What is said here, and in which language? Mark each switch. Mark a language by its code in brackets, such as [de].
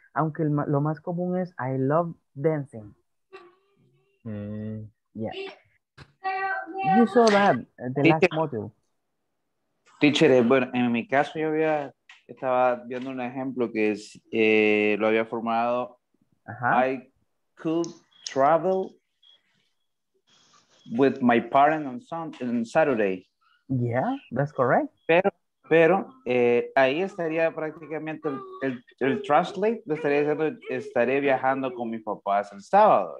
[es] Aunque lo más común es [en] I love dancing. Yeah. You saw that the last module. [es] Teacher, bueno, en mi caso yo estaba viendo un ejemplo que es lo había formado. Uh-huh. [en] I could travel with my parents on Saturday. Yeah, that's correct. [es] Pero, ahí estaría prácticamente el translate, estaría diciendo, estaré viajando con mis papás el sábado.